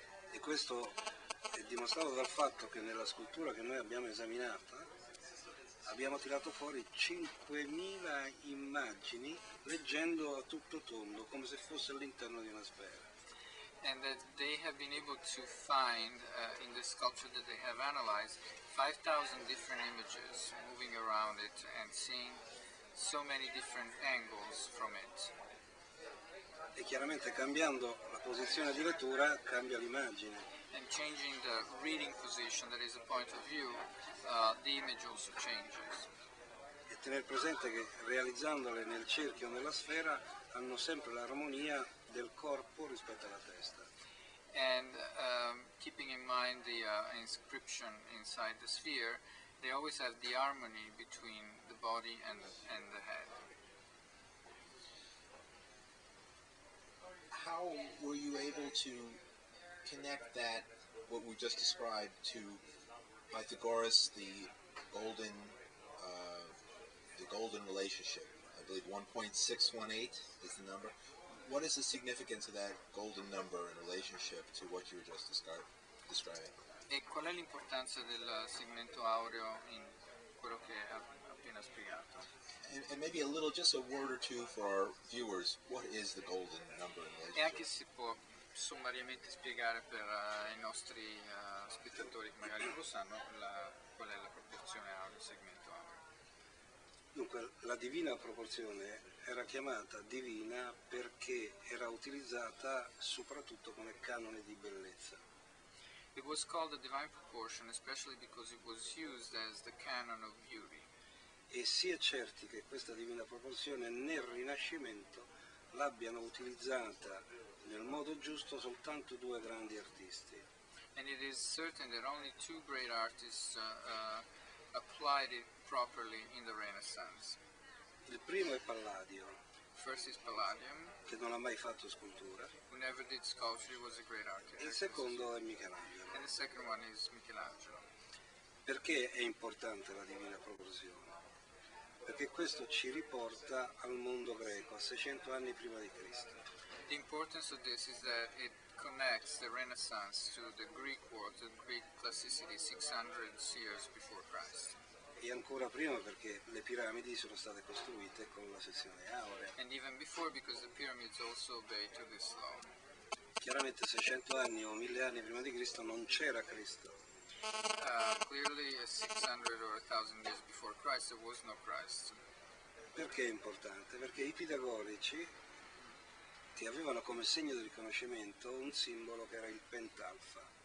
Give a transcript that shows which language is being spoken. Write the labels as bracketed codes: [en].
[it] E questo è dimostrato dal fatto che nella scultura che noi abbiamo esaminata abbiamo tirato fuori 5.000 immagini leggendo a tutto tondo, come se fosse all'interno di una sfera. [en] And that they have been able to find in the sculpture that they have analyzed 5,000 different images moving around it and seeing so many different angles from it. [it] E chiaramente cambiando la posizione di lettura cambia l'immagine. [en] And changing the reading position, that is a point of view, the image also changes. [it] E tener presente che realizzandole nel cerchio o nella sfera hanno sempre l'armonia del corpo rispetto alla testa. [en] And keeping in mind the inscription inside the sphere, they always have the harmony between the body and the head. How were you able to connect that, what we just described, to Pythagoras, the golden relationship? I believe 1.618 is the number. What is the significance of that golden number in relationship to what you were just describing? [it] E qual è l'importanza del segmento aureo in quello che appena spiegato? [en] And maybe a little, just a word or two for our viewers. What is the golden number in relationship? [it] E anche si può sommariamente spiegare per i nostri spettatori che magari lo sanno qual è la proporzione aureo, il segmento aureo. Dunque, la divina proporzione era chiamata divina perché era utilizzata soprattutto come canone di bellezza. [en] It was called the divine proportion, especially because it was used as the canon of beauty. [it] E si è certi che questa divina proporzione nel Rinascimento l'abbiano utilizzata nel modo giusto soltanto due grandi artisti. [en] And it is certain that only two great artists applied it properly in the Renaissance. [it] Il primo è Palladio. [en] First is Palladium, [it] che non ha mai fatto scultura. [en] Who never did sculpture, was a great architect. [it] Il secondo è Michelangelo. [en] And the second one is Michelangelo. [it] Perché è importante la divina proporzione? Perché questo ci riporta al mondo greco, a 600 anni prima di Cristo. [en] The importance of this is that it connects the Renaissance to the Greek world, the Greek classicity, 600 years before Christ. [it] E ancora prima perché le piramidi sono state costruite con la sezione aurea. [en] And even before because the pyramids also obey to this law. [it] Chiaramente 600 anni o 1000 anni prima di Cristo non c'era Cristo. [en] Clearly 600 or 1000 years before Christ there was no Christ. [it] Perché è importante? Perché i pitagorici ti avevano come segno di riconoscimento un simbolo che era il pentalfa.